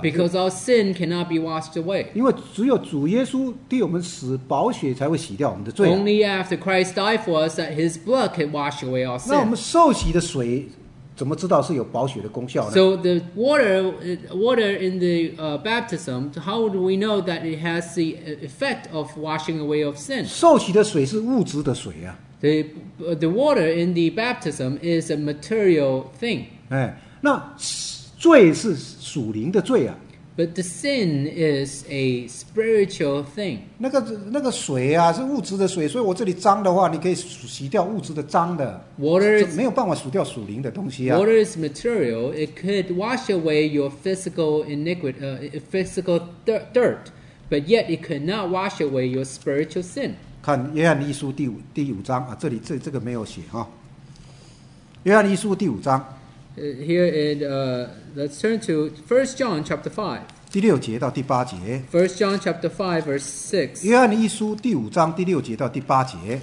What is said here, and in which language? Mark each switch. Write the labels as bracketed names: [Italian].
[English] Because our sin cannot be washed away. [Chinese] 因为只有主耶稣替我们死，宝血才会洗掉我们的罪。 [English] Only after Christ died for us that his blood can wash away our sin. [Chinese] 那我们受洗的水怎么知道是有保血的功效呢 [English] ？So the water in the baptism, how do we know that it has the effect of washing away of sin? [Chinese] 受洗的水是物质的水啊。 [English] The water in the baptism is a material thing. [Chinese] 哎，那罪是属灵的罪啊。 [English] But the sin is a spiritual thing. [Chinese] 那个水啊，是物质的水，所以我这里脏的话，你可以洗掉物质的脏的。 [English] Water is, [Chinese] 没有办法洗掉属灵的东西啊。 [English] Water is material. It could wash away your physical iniquity, physical dirt, but yet it cannot wash away your spiritual sin. [Chinese] 看约翰一书第五章啊，这个没有写哈。约翰一书第五章。 [English] Here in let's turn to 1 John chapter 5. [Chinese] 第六节到第八节。 [English] 1 John chapter 5 verse 6. [Chinese] 约翰一书第五章第六节到第八节。